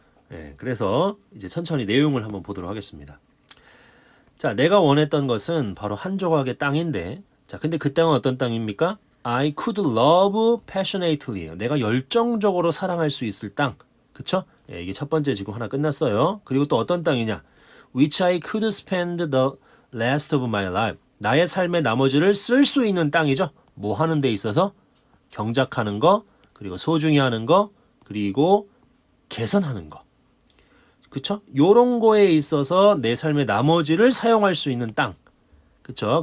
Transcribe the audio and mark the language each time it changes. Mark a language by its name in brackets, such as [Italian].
[Korean] 예, 그래서 이제 천천히 내용을 한번 보도록 하겠습니다. 자, 내가 원했던 것은 바로 한 조각의 땅인데 자, 근데 그 땅은 어떤 땅입니까? [English] I could love passionately. [Korean] 내가 열정적으로 사랑할 수 있을 땅. 그쵸? 예, 이게 첫 번째 지금 하나 끝났어요. 그리고 또 어떤 땅이냐? [English] Which I could spend the rest of my life. [Korean] 나의 삶의 나머지를 쓸 수 있는 땅이죠. 뭐 하는 데 있어서? 경작하는 거, 그리고 소중히 하는 거, 그리고 개선하는 거. 그쵸? 요런 거에 있어서 내 삶의 나머지를 사용할 수 있는 땅. 그쵸?